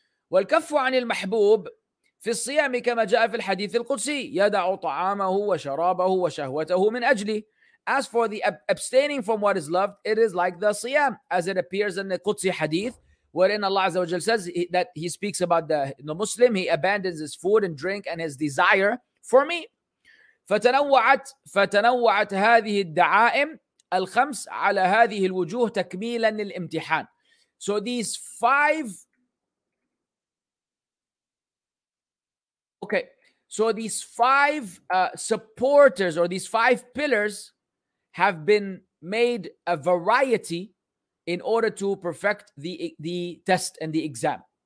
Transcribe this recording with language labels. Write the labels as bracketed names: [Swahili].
[Arabic] والكف عن المحبوب في الصيام كما جاء في الحديث القدسي يدع طعامه وشرابه وشهوته من أجلي. [English] As for the abstaining from what is loved, it is like the siyam, as it appears in the Qudsi hadith, wherein Allah Azza wa Jal says that he speaks about the Muslim, he abandons his food and drink and his desire for me. [Arabic] فتنوعت هذه الدعائم الخمس على هذه الوجوه تكميلا للامتحان. [English] So these five, okay, so these five supporters, or these five pillars, have been made a variety in order to perfect the test and the exam.